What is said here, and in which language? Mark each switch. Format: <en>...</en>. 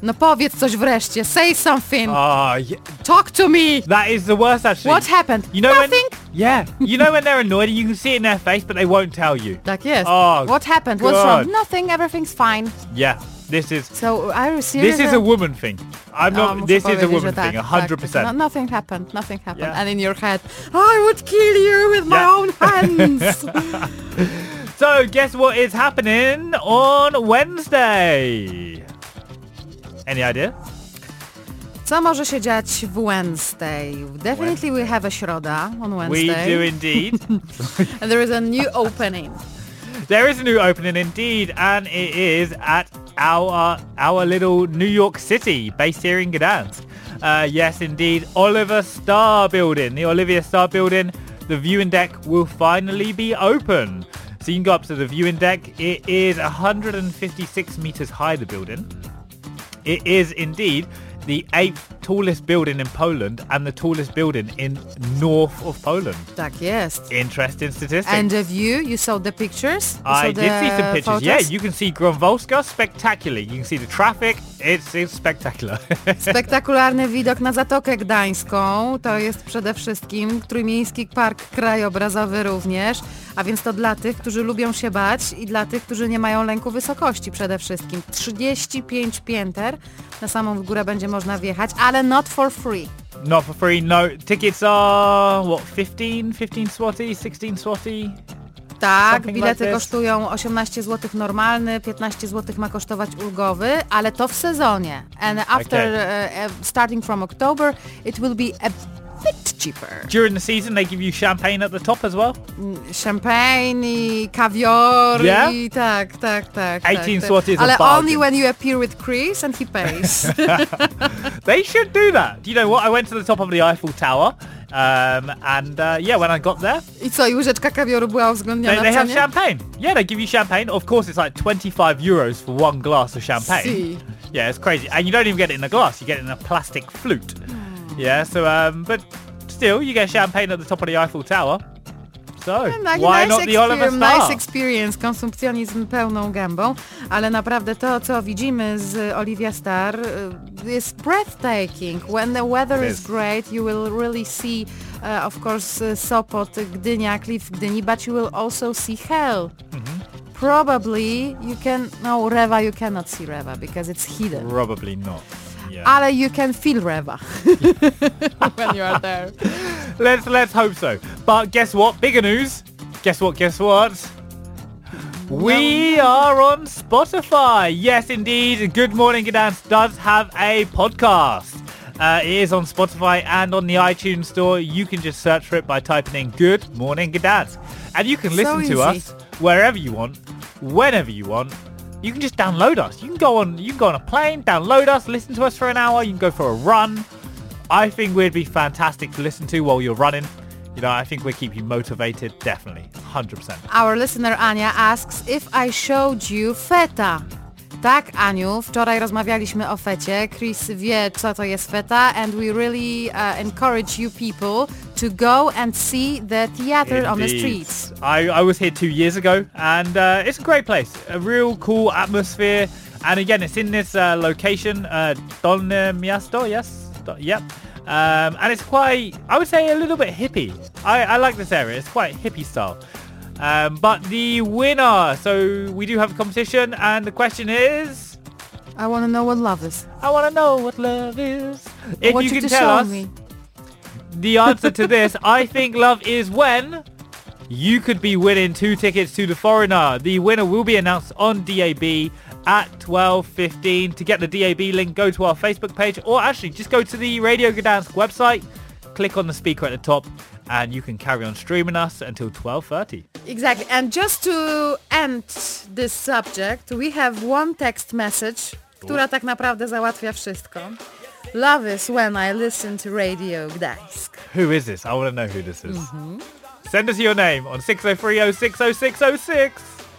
<pl>No powiedz coś wreszcie,</pl> <en>say something. Talk to me. That is the worst actually. What happened? You know nothing? When, yeah, you know when they're annoyed and you can see it in their face but they won't tell you.</en> <pl>Tak jest.</pl> <en>What happened? God. What's wrong? Nothing, everything's fine. Yeah, this is... So, are you serious? This is a woman thing. I'm not, this is a woman thing, 100%. Tak, nothing happened. Yeah. And in your head, I would kill you with my own hands. So guess what is happening on Wednesday? Any idea?</en> <pl>Co może się dziać w Wednesday?</pl> <en>Definitely Wednesday. We have a środa on Wednesday. We do indeed. And there is a new opening. There is a new opening indeed, and it is at our little New York City, based here in Gdansk. Yes, indeed, Oliver Starr Building, the Olivia Starr Building, the viewing deck will finally be open. So you can go up to the viewing deck. It is 156 meters high, the building. It is indeed the 8th tallest building in Poland and the tallest building in north of Poland.</en> <pl>Tak jest.</pl> <en>Interesting statistics. And a view, you saw the pictures? I did see some pictures. Yeah, you can see Grunwalska spectacularly. You can see the traffic. It's spectacular.</en> <pl>Spektakularny widok na Zatokę Gdańską. To jest przede wszystkim Trójmiejski Park Krajobrazowy również. A więc to dla tych, którzy lubią się bać i dla tych, którzy nie mają lęku wysokości przede wszystkim. 35 pięter na samą w górę będzie można wjechać, ale</pl> <en>not for free. Not for free, no. Tickets are, what, 15 złoty, 16 złoty?</en> <pl>Tak, bilety kosztują 18 zł normalny, 15 zł ma kosztować ulgowy, ale to w sezonie.</pl> <en>And after, starting from October, it will be a bit cheaper. During the season, they give you champagne at the top as well?</en> <pl>Champagne i kawior.</pl> <en>Yeah?</en> <pl>I, tak.</pl> <en>18 złoty is</en> <pl>ale</pl> <en>a bargain. Only when you appear with Chris and he pays. They should do that. Do you know what? I went to the top of the Eiffel Tower. When I got there.</en> <pl>I co, i łyżeczka kawioru była uwzględniona w cenie?</pl> <en>They have champagne. Yeah, they give you champagne. Of course, it's like 25 euros for one glass of champagne. Si. Yeah, it's crazy. And you don't even get it in a glass. You get it in a plastic flute. Mm. Yeah, so, but still, you get champagne at the top of the Eiffel Tower. So, yeah, why nice not the Oliver Star? Nice experience.</en> <pl>Konsumpcjonizm pełną gębą. Ale naprawdę to, co widzimy z Olivia Star...</pl> <en>It's breathtaking. When the weather is great, you will really see, of course, Sopot, Gdynia, Cliff Gdyni, but you will also see hell. Mm-hmm. Probably you can... No, Rewa, you cannot see Rewa because it's hidden. Probably not. Yeah. Ale you can feel Rewa when you are there. Let's hope so. But guess what? Bigger news. Guess what? We are on Spotify. Yes, indeed. Good Morning Gdansk does have a podcast. It is on Spotify and on the iTunes store. You can just search for it by typing in Good Morning Gdansk. And you can listen to us wherever you want, whenever you want. You can just download us. You can go on a plane, download us, listen to us for an hour. You can go for a run. I think we'd be fantastic to listen to while you're running. You know, I think we keep you motivated, definitely, 100%. Our listener Ania asks, if I showed you feta.</en> <pl>Tak, Aniu, wczoraj rozmawialiśmy o fecie. Chris wie, co to jest feta,</pl> <en>and we really encourage you people to go and see the theater indeed. On the streets. I was here 2 years ago, and it's a great place, a real cool atmosphere. And again, it's in this location, Dolne Miasto, yes? Yep. And it's quite, I would say, a little bit hippie. I like this area. It's quite hippie style. But the winner, so we do have a competition, and the question is... I want to know what love is. I want to know what love is. If you can tell us the answer to this, I think love is when you could be winning two tickets to The Foreigner. The winner will be announced on DAB at 12:15. To get the DAB link, go to our Facebook page, or actually just go to the Radio Gdansk website, click on the speaker at the top, and you can carry on streaming us until 12:30. Exactly. And just to end this subject, we have one text message,</en> <pl>która tak naprawdę załatwia wszystko.</pl> <en>Love is when I listen to Radio Gdańsk. Who is this? I want to know who this is. Mm-hmm. Send us your name on 603-060-606.</en>